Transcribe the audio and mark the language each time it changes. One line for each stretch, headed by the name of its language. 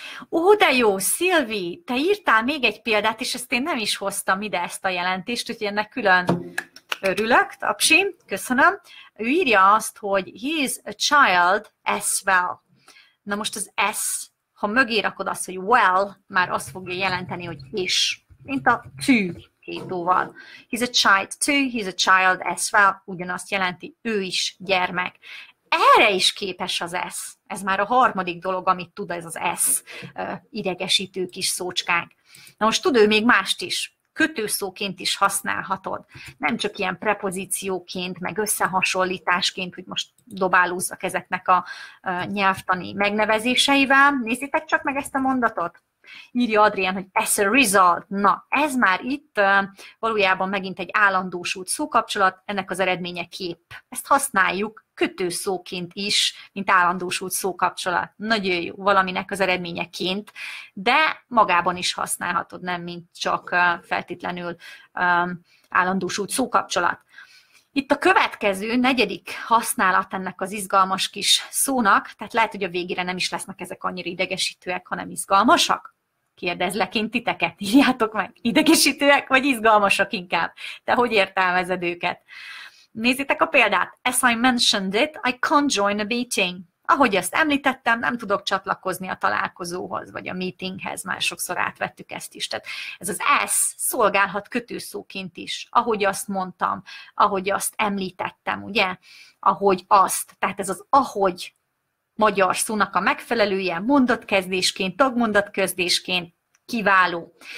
Hungarian: Ó, de jó, Szilvi, te írtál még egy példát, és ezt én nem is hoztam ide ezt a jelentést, úgyhogy ennek külön örülök, tapsi, köszönöm. Ő írja azt, hogy
English: he is a child as well.
Hungarian: Na most az s, ha mögé rakod azt, hogy well, már azt fogja jelenteni, hogy is, mint a to kétóval.
English: He's a child too, he's a child as well,
Hungarian: ugyanazt jelenti, ő is gyermek. Erre is képes az S. Ez már a harmadik dolog, amit tud ez az S idegesítő kis szócskánk. Na most tud ő még mást is. Kötőszóként is használhatod. Nem csak ilyen prepozícióként, meg összehasonlításként, hogy most dobálózzak ezeknek a nyelvtani megnevezéseivel. Nézzétek csak meg ezt a mondatot. Írja Adrián, hogy
English: as a result.
Hungarian: Na, ez már itt valójában megint egy állandósult szókapcsolat, ennek az eredménye kép. Ezt használjuk kötőszóként is, mint állandósult szókapcsolat. Nagyon jó, valaminek az eredményeként, de magában is használhatod, nem mint csak feltétlenül állandósult szókapcsolat. Itt a következő, negyedik használat ennek az izgalmas kis szónak, tehát lehet, hogy a végére nem is lesznek ezek annyira idegesítőek, hanem izgalmasak. Kérdezlek én titeket, írjátok meg, idegesítőek vagy izgalmasak inkább? Te hogy értelmezed őket? Nézzétek a példát.
English: As I mentioned it, I can't join a meeting.
Hungarian: Ahogy ezt említettem, nem tudok csatlakozni a találkozóhoz, vagy a meetinghez, már sokszor átvettük ezt is. Tehát ez az S szolgálhat kötőszóként is. Ahogy azt mondtam, ahogy azt említettem, ugye? Ahogy azt, tehát ez az ahogy magyar szónak a megfelelője, mondatkezdésként, tagmondatkezdésként, kiváló.